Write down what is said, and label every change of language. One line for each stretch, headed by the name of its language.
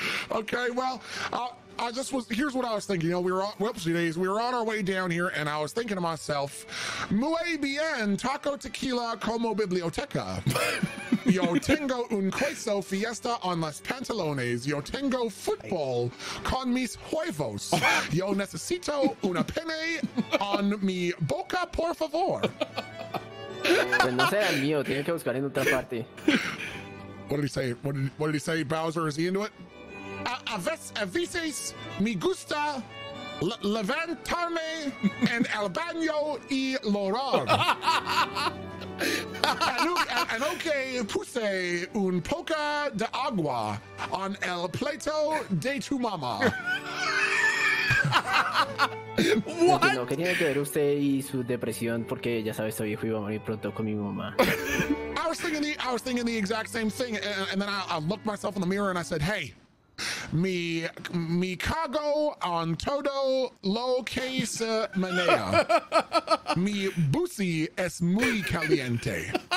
English: Okay, well, I just was, here's what I was thinking. You know, we were on our way down here, and I was thinking to myself,
Spanish: muy bien, taco tequila como biblioteca. Yo tengo un queso fiesta on las pantalones. Yo tengo football con mis huevos. Yo necesito una pene on mi boca, por favor. Pues no será el mío, tiene que buscar en otra parte.
English: What did he say? What did he say? Bowser, is he into it?
Spanish: A veces me gusta levantarme en el baño y llorar. Okay, puse un poco de agua on el plato de tu mamá.
English: What?
Spanish: No, ¿qué tiene que ver usted y su depresión? Porque ya sabes, estoy viejo y voy a morir pronto con mi mamá.
English: I was thinking the exact same thing, and then I looked myself in the mirror and I said, hey,
Spanish: me cago on todo lo que se menea. Mi busi es muy caliente.